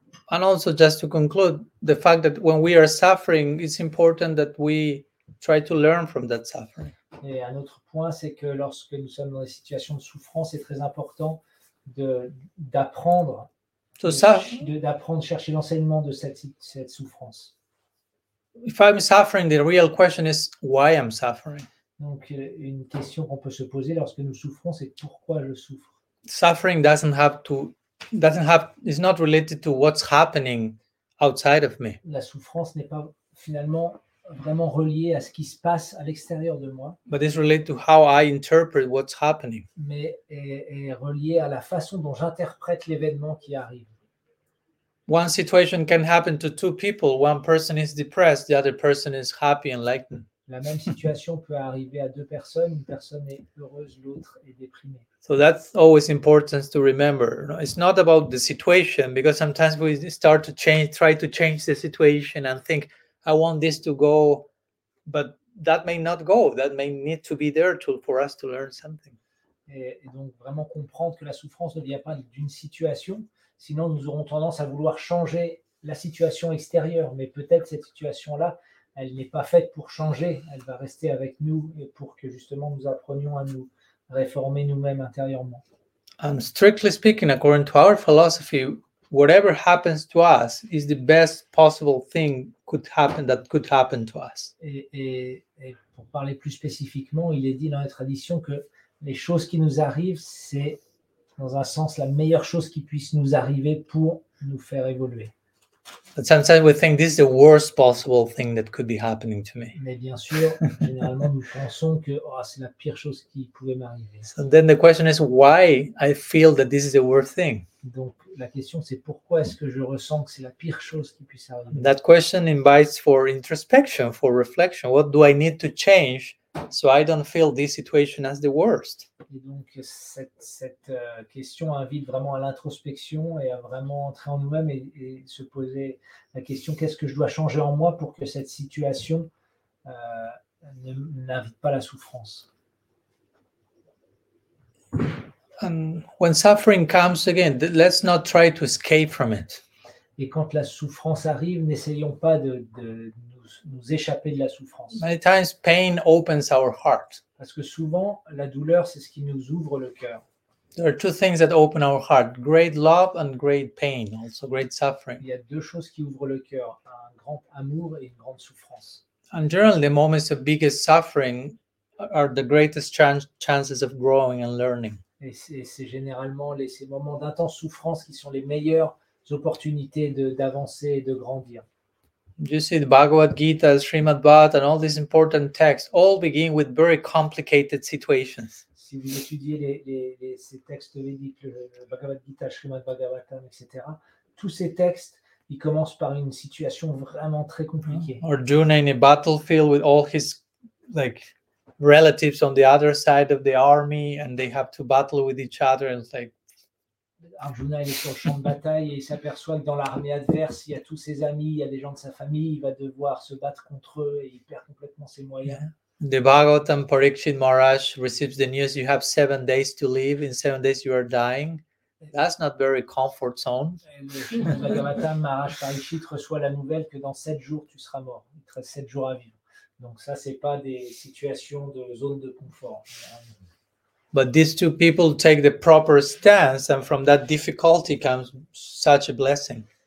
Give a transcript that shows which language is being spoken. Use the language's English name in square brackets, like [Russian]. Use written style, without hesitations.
[English] And also, just to conclude, the fact that when we are suffering, it's important that we try to learn from that suffering. [French] Et un autre point, c'est que lorsque nous sommes dans des situations de souffrance, c'est très important d'apprendre, chercher l'enseignement de cette souffrance. [English] If I'm suffering, the real question is why I'm suffering. [French] Donc, une question qu'on peut se poser lorsque nous souffrons, c'est pourquoi je souffre. [English] Suffering is not related to what's happening outside of me. [French] La souffrance n'est pas finalement vraiment relié à ce qui se passe à l'extérieur de moi. [English] But it's related to how I interpret what's happening. [French] Mais est relié à la façon dont j'interprète l'événement qui arrive. [English] One situation can happen to two people. One person is depressed, the other person is happy and enlightened. [French] La même situation peut arriver à deux personnes. Une personne est heureuse, l'autre est déprimée. [English] So that's always important to remember. It's not about the situation, because sometimes we start to try to change the situation and think, I want this to go, but that may not go. That may need to be there for us to learn something. [French] Et donc vraiment comprendre que la souffrance ne vient pas d'une situation. Sinon, nous aurons tendance à vouloir changer la situation extérieure. Mais peut-être cette situation-là elle n'est pas faite pour changer, elle va rester avec nous et pour que justement nous apprenions à nous réformer nous-mêmes intérieurement. [English] And strictly speaking, according to our philosophy, whatever happens to us is the best possible thing could happen that could happen to us. [French] Et pour parler plus spécifiquement, il est dit dans la tradition que les choses qui nous arrivent, c'est dans un sens la meilleure chose qui puisse nous arriver pour nous faire évoluer. [English] But sometimes we think this is the worst possible thing that could be happening to me. [French] Mais bien sûr, généralement nous pensons que oh, c'est la pire chose qui pouvait m'arriver. [English] So then the question is why I feel that this is the worst thing. [French] Donc la question c'est pourquoi est-ce que je ressens que c'est la pire chose qui puisse arriver. [English] That question invites for introspection, for reflection. What do I need to change so I don't feel this situation as the worst? [French] Et donc cette question invite vraiment à l'introspection et à vraiment entrer en nous-mêmes et se poser la question qu'est-ce que je dois changer en moi pour que cette situation n'invite pas la souffrance. [English] And when suffering comes again, let's not try to escape from it. [French] Et quand la souffrance arrive, n'essayons pas de nous échapper de la souffrance. [English] Many times pain opens our heart. [French] Parce que souvent, la douleur, c'est ce qui nous ouvre le cœur. [English] There are two things that open our heart: great love and great pain, also great suffering. [French] Il y a deux choses qui ouvrent le cœur: un grand amour et une grande souffrance. [English] And generally, the moments of biggest suffering are the greatest chances of growing and learning. [French] Et c'est généralement ces moments d'intense souffrance qui sont les meilleures opportunités d'avancer et de grandir. [English] You see, the Bhagavad Gita, Srimad Bhagavat, and all these important texts all begin with very complicated situations. [French] Si vous étudiez ces textes védiques, le Bhagavad Gita, Srimad Bhagavatam, etc., tous ces textes, ils commencent par une situation vraiment très compliquée. [English] Arjuna in a battlefield with all his relatives on the other side of the army, and they have to battle with each other, and [French] Arjuna est sur le champ de bataille et il s'aperçoit que dans l'armée adverse, il y a tous ses amis, il y a des gens de sa famille, il va devoir se battre contre eux et il perd complètement ses moyens. [English] The Bhagavatam Parikshit Maharaj receives the news, you have 7 days to live, in 7 days you are dying. That's not very comfort zone. [French] Le Bhagavatam Maharaj Parikshit reçoit la nouvelle que dans 7 jours tu seras mort, il te reste 7 jours à vivre. Donc ça, c'est pas des situations de zone de confort. [English] But these two people take the proper stance, and from that difficulty comes such a blessing.